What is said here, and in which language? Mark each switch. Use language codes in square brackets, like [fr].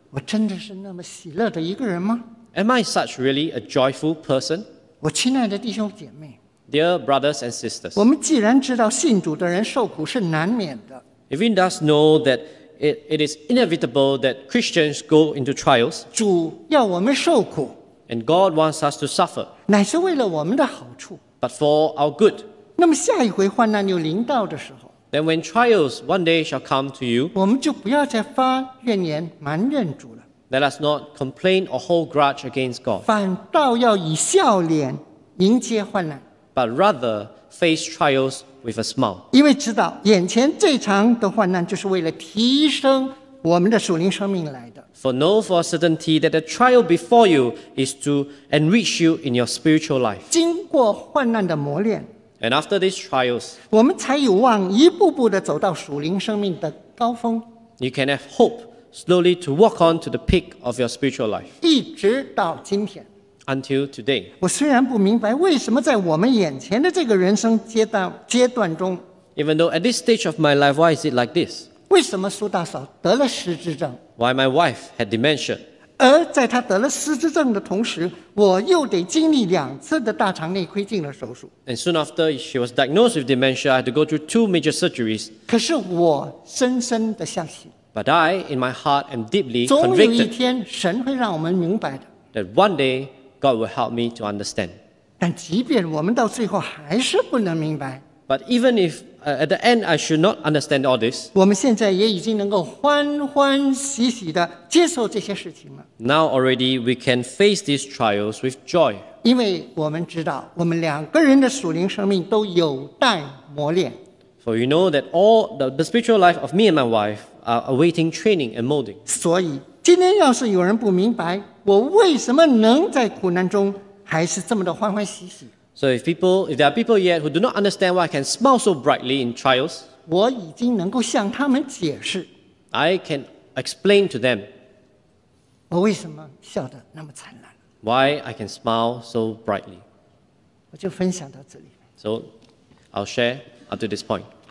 [zh] 我真的是那么喜乐的一个人吗？ [en] Am I such really a joyful person? [zh] 我亲爱的弟兄姐妹。 [en] Dear brothers and sisters. [zh] 我们既然知道信主的人受苦是难免的。 [en] If we thus know that. It is inevitable that Christians go into trials. [zh] 主要我们受苦。 [en] And God wants us to suffer. [zh] 乃是为了我们的好处。 [en] But for our good. [zh] 那么下一回患难又临到的时候。 [en] Then when trials one day shall come to you. [zh] 我们就不要再发怨言埋怨主了。 [en] Let us not complain or hold grudge against God. [zh] 反倒要以笑脸迎接患难。 [en] But rather face trials. With a smile. [zh] 因为知道眼前最长的患难就是为了提升我们的属灵生命来的。 [en] For know for a certainty that the trial before you is to enrich you in your spiritual life. [zh] 经过患难的磨练。 [en] And after these trials, [zh] 我们才有望一步步地走到属灵生命的高峰。 [en] You can have hope slowly to walk on to the peak of your spiritual life. [zh] 一直到今天。 [en] Until today. [zh] 我虽然不明白为什么在我们眼前的这个人生阶段中。 [en] Even though at this stage of my life, why is it like this? [zh] 为什么苏大嫂得了失智症？ [en] Why my wife had dementia? [zh] 而在她得了失智症的同时，我又得经历两次的大肠内窥镜的手术。 [en] And soon after she was diagnosed with dementia, I had to go through two major surgeries. [zh] 可是我深深的相信。 [en] But I, in my heart, am deeply convicted. [zh] 总有一天，神会让我们明白的。 [en] That one day, God will help me to understand. [zh] 但即便我们到最后还是不能明白。 [en] But even if at the end I should not understand all this, [zh] 我们现在也已经能够欢欢喜喜地接受这些事情了。 [en] Now already we can face these trials with joy. [zh] 因为我们知道，我们两个人的属灵生命都有待磨练。 [en] For you know that all the spiritual life of me and my wife are awaiting training and molding. [zh] 所以今天要是有人不明白，我为什么能在苦难中还是这么的欢欢喜喜。 [en] So if there are people yet who do not understand why I can smile so brightly in trials, [zh] 我已经能够向他们解释。 [en] I can explain to them. [zh] 我为什么笑得那么灿烂。 [en] Why I can smile so brightly. [zh] 我就分享到这里。 [en] So I'll share up to this point.